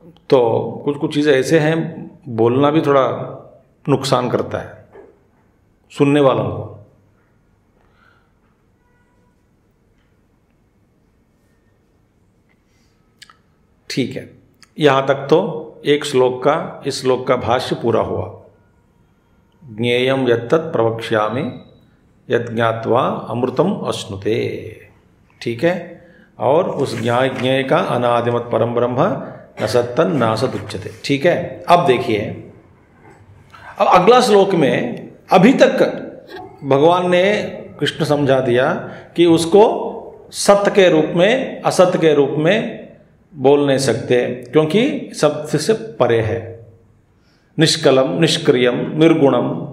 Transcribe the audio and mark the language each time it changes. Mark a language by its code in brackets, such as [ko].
[hi] तो कुछ कुछ चीजें ऐसे हैं, बोलना भी थोड़ा नुकसान करता है सुनने वालों को। ठीक है, यहां तक तो एक श्लोक का, इस श्लोक का भाष्य पूरा हुआ। [sa] ज्ञेयम् यत्तत् प्रवक्ष्यामि यत् ज्ञात्वा अमृतम् अश्नुते। [hi] ठीक है, और उस ज्ञेय का [sa] अनादिमत् परम ब्रह्म न सत्तन् न असदुच्यते। [hi] ठीक है, अब देखिए, अब अगला श्लोक में अभी तक भगवान ने कृष्ण समझा दिया कि उसको सत्य के रूप में असत के रूप में बोल नहीं सकते, क्योंकि शब्द से परे है, [sa] निष्कलम निष्क्रियम निर्गुणम।